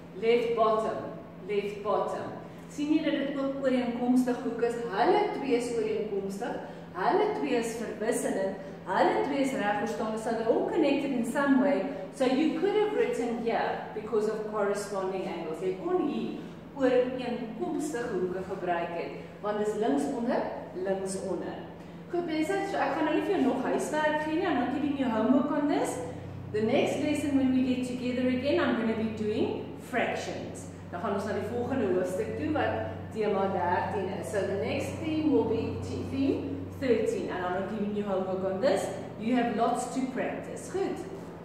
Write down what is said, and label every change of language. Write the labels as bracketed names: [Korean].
[English] Left bottom, left bottom. [Afrikaans] Sien jy dat dit ook ooreenkomstig hoek is? Hulle twee is ooreenkomstig. Hulle twee is verwisselend. Hulle twee is reg verstaan, [English] so they're all connected in some way. So you could have written here because of corresponding angles. [Afrikaans] Jy kon hier ooreenkomstige hoeke gebruik het, want dis links onder, links onder. Goed, mense, so ek gaan nou nie vir jou nog huiswerk gee nie, [English] I'm not giving you homework on this. The next lesson when we get together again, I'm going to be doing fractions. [Afrikaans] Dan gaan ons na die volgende hoofstuk toe wat tema 13 is. [English] So the next theme will be theme 13 and I'm not giving you homework on this. You have lots to practice. Goed.